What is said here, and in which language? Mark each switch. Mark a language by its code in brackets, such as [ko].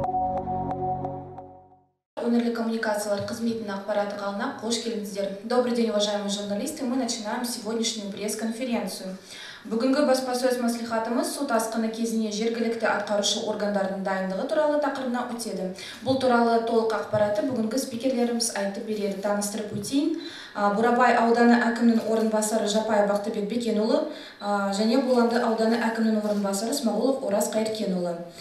[kk] өңірлік коммуникациялар қызметінің ақпараттық алдына қош келдіңіздер. [ru] Добрый день, уважаемые журналисты, мы начинаем сегодняшнюю пресс-конференцию. [kk] Бүгінгі баспасөз мәслихатымыз су тасқыны кезіне жергілікті атқарушы органдардың дайындығы туралы тақырыбына өтеді. Бұл туралы толық ақпаратты бүгінгі спикерлеріміз айтып береді. Таныстырып өтейін. Бурабай ауданы әкімінің орынбасары Жапай Бақтыбек Бекенұлы және Бұланды ауданы әкімінің орынбасары Смағұлов Ораз Қайыркенұлы.